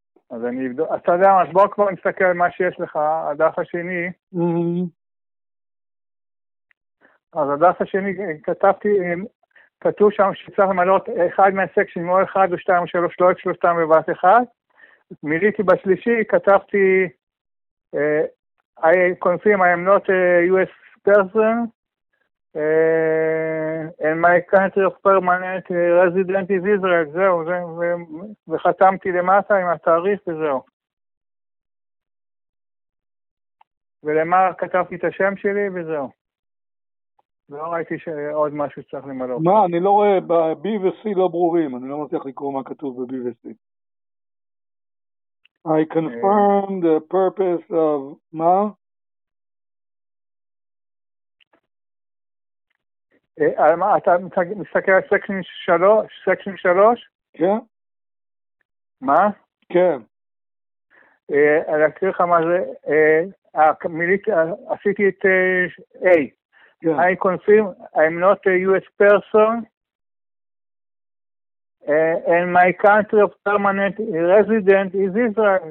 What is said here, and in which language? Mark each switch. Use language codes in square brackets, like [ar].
[he] אז אני אבדוק, אתה יודע מה, אז בוא כבר נסתכל מה שיש לך, הדף השני. אז הדף השני כתבתי, כתוב שם שצריך למלות אחד מהסקשנים, או אחד או שתיים או שלוש, לא את שלושתם בבת אחד. מילאתי בשלישי, כתבתי, [en] I confirm, I am not a US person, and my country of permanent resident is Israel, [he] זהו, זה, וחתמתי למטה עם התאריך וזהו. ולמה כתבתי את השם שלי וזהו. לא ראיתי שעוד משהו צריך למלא. מה, אני לא רואה, ב-B ו-C לא ברורים, אני לא מצליח לקרוא מה כתוב ב-B ו-C. [en] I confirm the purpose of, [he] מה? על מה, אתה מסתכל על סקשן 3? סקשן 3? כן. מה? כן. אני אקריא לך מה זה, עשיתי את A. [en] Yeah. I confirm I'm not a US person and my country of permanent resident is Israel.